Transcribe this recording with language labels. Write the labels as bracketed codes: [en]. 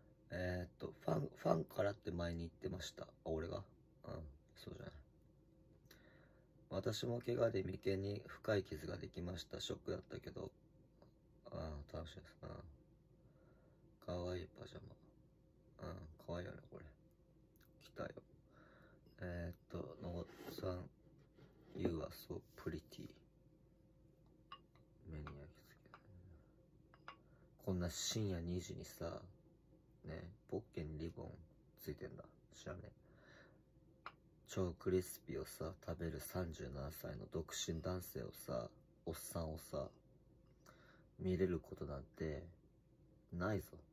[ja] ファンからって前に言ってました。あ、俺が、そうじゃない。私も怪我で眉間に深い傷ができました。ショックだったけど、楽しいです。かわいいパジャマ、かわいいよねこれ、着たよ。 [en] のごさん、You are so pretty。 [ja] 目に焼き付け、こんな深夜2時にさね、ポッケにリボンついてんだ、知らねえ。超クリスピーをさ食べる37歳の独身男性をさ、おっさんをさ見れることなんてないぞ。